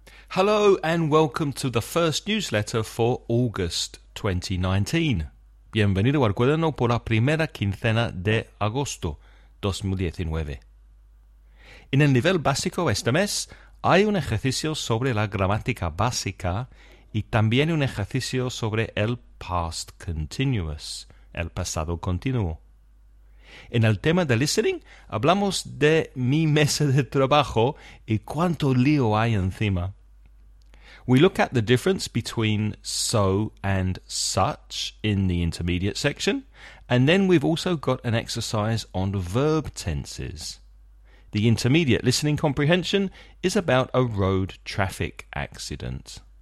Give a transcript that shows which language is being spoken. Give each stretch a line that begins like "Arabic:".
English: Hello and welcome to the first newsletter for August 2019.
Spanish: Bienvenido al cuaderno por la primera quincena de agosto 2019. En el nivel básico este mes hay un ejercicio sobre la gramática básica y también un ejercicio sobre el past continuous, el pasado continuo. En el tema de listening hablamos de mi mesa de trabajo y cuánto lío hay encima.
English: We look at the difference between so and such in the intermediate section, and then we've also got an exercise on verb tenses. The intermediate listening comprehension is about a road traffic accident.